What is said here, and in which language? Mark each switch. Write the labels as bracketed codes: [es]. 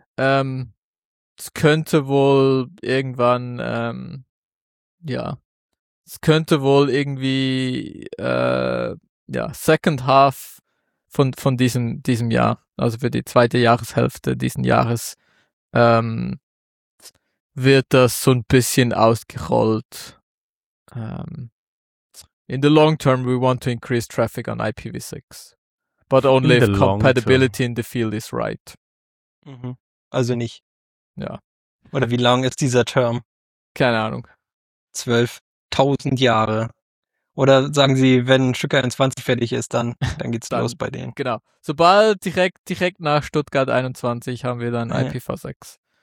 [de] Es könnte wohl irgendwann, es könnte wohl irgendwie, [en] second half [de] von diesem Jahr, also für die zweite Jahreshälfte diesen Jahres, wird das so ein bisschen ausgerollt. [en] In the long term, we want to increase traffic on IPv6. But only if compatibility in the field is right. [de] Mhm. Also nicht. Ja. Oder wie lang ist dieser Term? Keine Ahnung. 12.000 Jahre. Oder sagen sie, wenn Stück 21 fertig ist, dann geht's dann los bei denen. Genau. Sobald direkt nach Stuttgart 21 haben wir dann IPv6.